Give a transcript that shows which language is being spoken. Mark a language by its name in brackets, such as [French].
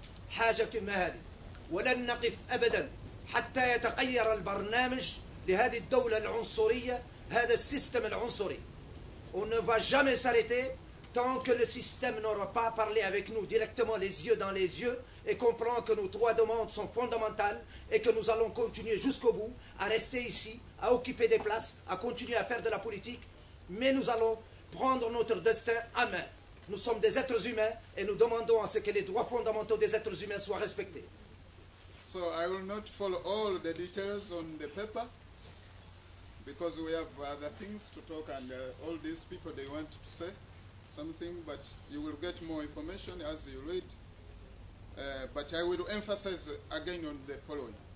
[Arabic] حاجة ما هذه ولن نقف أبدا حتى يتغير البرنامج لهذه الدولة العنصرية هذا السيستم العنصري. [French] On ne va jamais s'arrêter tant que le système n'aura pas parlé avec nous directement les yeux dans les yeux et comprend que nos trois demandes sont fondamentales et que nous allons continuer jusqu'au bout à rester ici, à occuper des places, à continuer à faire de la politique, mais nous allons prendre notre destin à main. Nous sommes des êtres humains et nous demandons à ce que les droits fondamentaux des êtres humains soient respectés. [English] So I will not follow all the details on the paper because we have other things to talk and all these people they want to say something, but you will get more information as you read. But I will emphasize again on the following.